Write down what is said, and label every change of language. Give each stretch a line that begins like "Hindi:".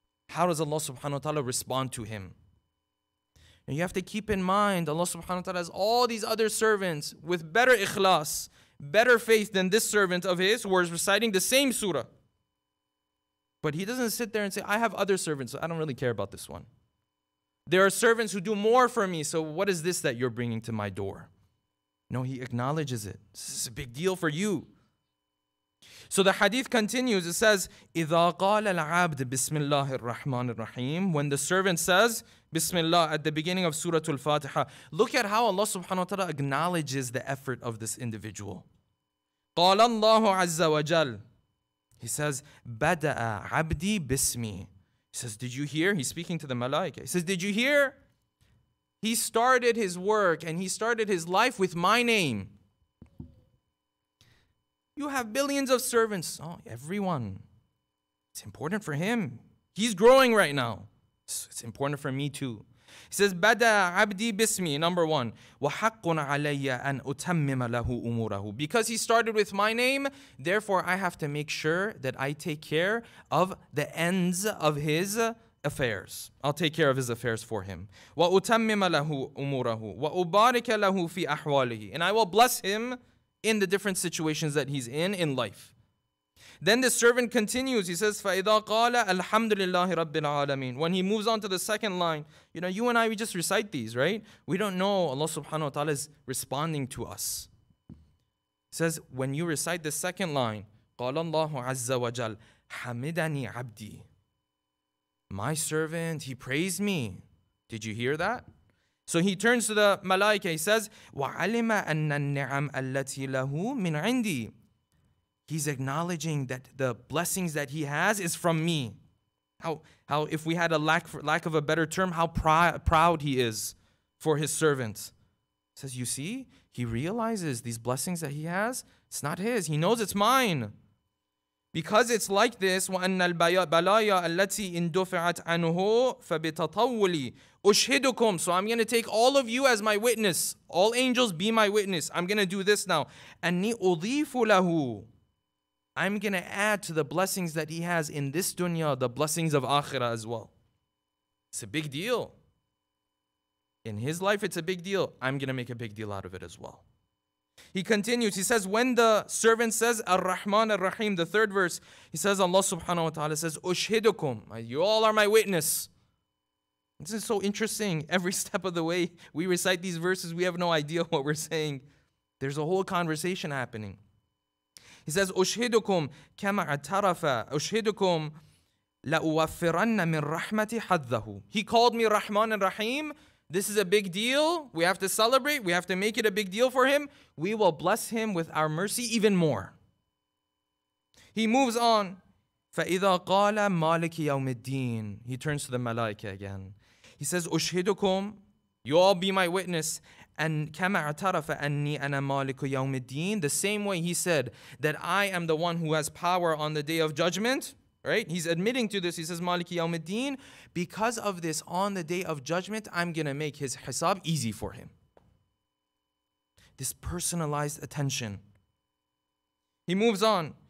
English: How does Allah subhanahu wa ta'ala respond to him? And you have to keep in mind, Allah subhanahu wa ta'ala has all these other servants with better ikhlas, better faith than this servant of his who is reciting the same surah. But he doesn't sit there and say, I have other servants, so I don't really care about this one. There are servants who do more for me, so what is this that you're bringing to my door? No, he acknowledges it. This is a big deal for you. So the hadith continues. It says,
Arabic: إِذَا قَالَ الْعَبْدِ بِسْمِ اللَّهِ الرَّحْمَنِ الرَّحِيمِ.
English: When the servant says, Bismillah, at the beginning of Surah Al-Fatiha. Look at how Allah subhanahu wa ta'ala acknowledges the effort of this individual.
Arabic: قَالَ اللَّهُ عَزَّ وَجَلَّ.
English: He says,
Arabic: بَدَأَ عَبْدِي بِسْمِي.
English: He says, did you hear? He's speaking to the malaika. He says, did you hear? He started his work and he started his life with my name. You have billions of servants. Oh, everyone. It's important for him. He's growing right now. It's important for me too. He says, Bada abdi bismi, number one.
Arabic: وَحَقٌ عَلَيَّ أَنْ أُتَمِّمَ لَهُ أُمُورَهُ.
English: Because he started with my name, therefore I have to make sure that I take care of the ends of his affairs. I'll take care of his affairs for him.
Arabic: وَأُتَمِّمَ لَهُ أُمُورَهُ وَأُبَارِكَ لَهُ فِي أَحْوَالِهِ.
English: And I will bless him in the different situations that he's in life. Then the servant continues. He says,
Arabic: فَإِذَا قَالَ أَلْحَمْدُ لِلَّهِ رَبِّ الْعَالَمِينَ.
English: When he moves on to the second line, you know, you and I, we just recite these, right? We don't know Allah subhanahu wa ta'ala is responding to us. He says, when you recite the second line,
Arabic: قَالَ اللَّهُ عَزَّ وَجَلْ حَمِدَنِي عَبْدِي.
English: My servant, he praised me. Did you hear that? So he turns to the malaika. He says,
Arabic: وَعَلِمَ أَنَّ النِّعَمَ الَّتِي لَهُ مِنْ عِنْدِي.
English: He's acknowledging that the blessings that he has is from me. How if we had a lack of a better term, how proud he is for his servant. Says, you see, he realizes these blessings that he has, it's not his. He knows it's mine. Because it's like this,
Arabic: وَأَنَّ الْبَلَايَا الَّتِي إِنْدُفِعَتْ عَنُهُ فَبِتَطَوُّلِي أُشْهِدُكُمْ.
English: So I'm going to take all of you as my witness. All angels, be my witness. I'm going to do this now.
Arabic: أَنِّي أُضِيفُ لَهُ.
English: I'm going to add to the blessings that he has in this dunya, the blessings of akhirah as well. It's a big deal. In his life, it's a big deal. I'm going to make a big deal out of it as well. He continues. He says, when the servant says, Ar-Rahman Ar-Rahim, the third verse, he says, Allah subhanahu wa ta'ala says, Ushhidukum, you all are my witness. This is so interesting. Every step of the way we recite these verses, we have no idea what we're saying. There's a whole conversation happening. He says,
Arabic: أُشْهِدُكُمْ كَمَا عَتَّرَفَ أُشْهِدُكُمْ لَأُوَفِّرَنَّ مِنْ رَحْمَةِ حَدَّهُ.
English: He called me Rahman and Rahim. This is a big deal. We have to celebrate. We have to make it a big deal for him. We will bless him with our mercy even more. He moves on.
Arabic: فَإِذَا قَالَ مَالِكِ يَوْمِ الدِّينِ.
English: He turns to the malaika again. He says,
Arabic: أُشْهِدُكُمْ,
English: you all be my witness. And
Arabic: كَمَا عَتَرَفَ أَنِّي أَنَا مَالِكُ يَوْمِ الدِّينِ.
English: The same way he said that I am the one who has power on the day of judgment, right? He's admitting to this. He says,
Arabic: مَالِكِ يَوْمِ الدِّينِ.
English: Because of this, on the day of judgment, I'm going to make his hisab easy for him. This personalized attention. He moves on.